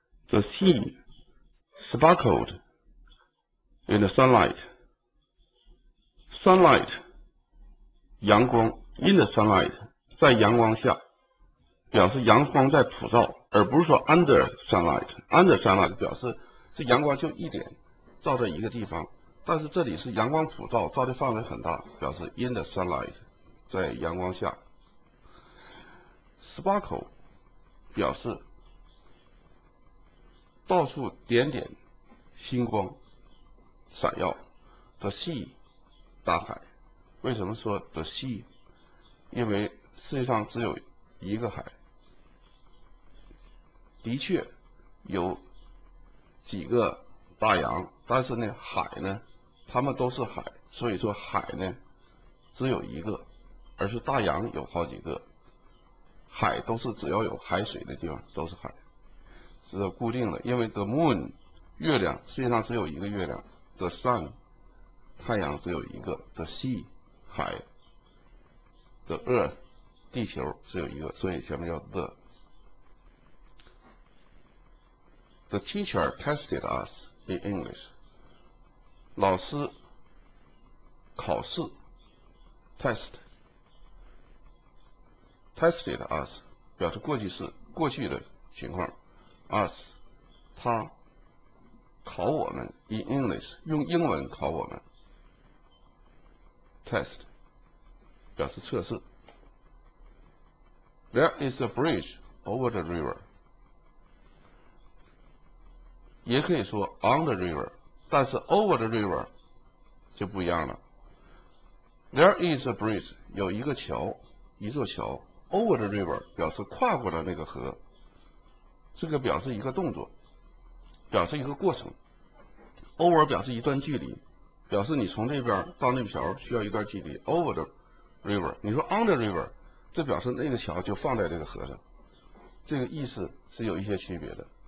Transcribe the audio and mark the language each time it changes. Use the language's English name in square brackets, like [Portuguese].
[English] The sea sparkled in the sunlight. [Chinese] Sunlight, 阳光 in the sunlight, 在阳光下，表示阳光在普照，而不是说 under sunlight. Under sunlight 表示是阳光就一点照在一个地方，但是这里是阳光普照，照的范围很大，表示 in the sunlight, 在阳光下。 Sparkle 表示到处点点星光闪耀。 The sea 大海，为什么说 the sea? 因为世界上只有一个海，的确有几个大洋，但是呢海呢它们都是海，所以说海呢只有一个，而是大洋有好几个，海都是只要有海水的地方都是海，是固定的。因为 the moon 月亮，世界上只有一个月亮， the sun 太阳只有一个， the sea 海， the earth 地球只有一个，所以前面叫 the。 [English] The teacher tested us in English， [Chinese] 老师考试 [English] test tested us [Chinese] 表示过去式，过去的情况。 us 他考我们 in English 用英文考我们 test 表示测试。 [English] There is a bridge over the river， [Chinese] 也可以说 [English] on the river， [Chinese] 但是 [English] over the river [Chinese] 就不一样了。 [English] There is a bridge， [Chinese] 有一个桥，一座桥。 over the river 表示跨过了那个河，这个表示一个动作，表示一个过程。 over 表示一段距离，表示你从这边到那桥需要一段距离。 over the river， 你说 on the river， 这表示那个桥就放在这个河上，这个意思是有一些区别的。